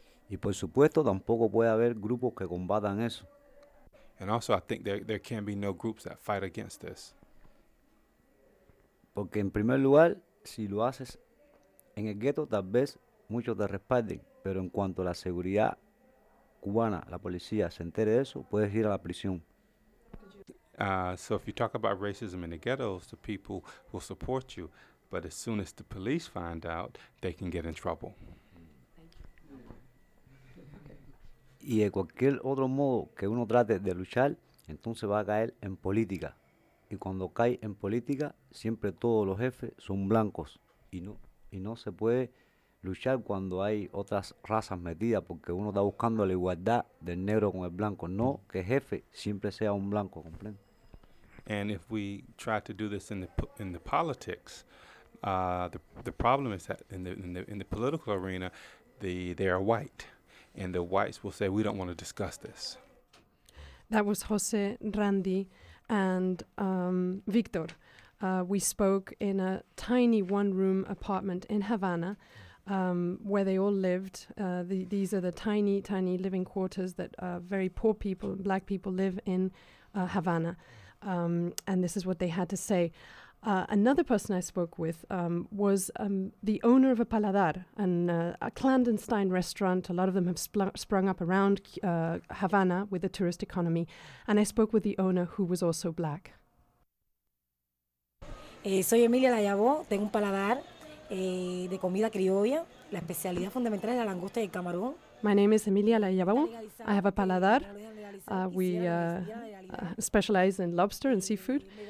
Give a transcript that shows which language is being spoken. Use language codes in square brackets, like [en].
[es] Y por supuesto, tampoco puede haber grupos que combatan eso. [en] And also, I think there can be no groups that fight against this. [es] Porque en primer lugar, si lo haces en el gueto, tal vez muchos te respalden. Pero en cuanto a la seguridad cubana, la policía, se entere de eso, puedes ir a la prisión. [en] So if you talk about racism in the ghettos, the people will support you. But as soon as the police find out, they can get in trouble. [es] Y de cualquier otro modo que uno trate de luchar, entonces va a caer en política. Y cuando cae en política, siempre todos los jefes son blancos. Y no se puede luchar cuando hay otras razas metidas, porque uno está buscando la igualdad del negro con el blanco. No que jefe siempre sea un blanco, ¿comprende? [en] And if we try to do this in the politics, the problem is that in the political arena, they are white, and the whites will say, we don't want to discuss this. That was Jose, Randy, and Victor. We spoke in a tiny one-room apartment in Havana, where they all lived. These are the tiny, tiny living quarters that very poor people, black people, live in Havana. And this is what they had to say. Another person I spoke with was the owner of a paladar, a clandestine restaurant. A lot of them have sprung up around Havana with the tourist economy. And I spoke with the owner, who was also black. [es] Soy Emilia Layabó, tengo un paladar de comida criolla. La especialidad fundamental es la langosta y el camarón. [en] My name is Emilia Layabó. I have a paladar. We specialize in lobster and seafood.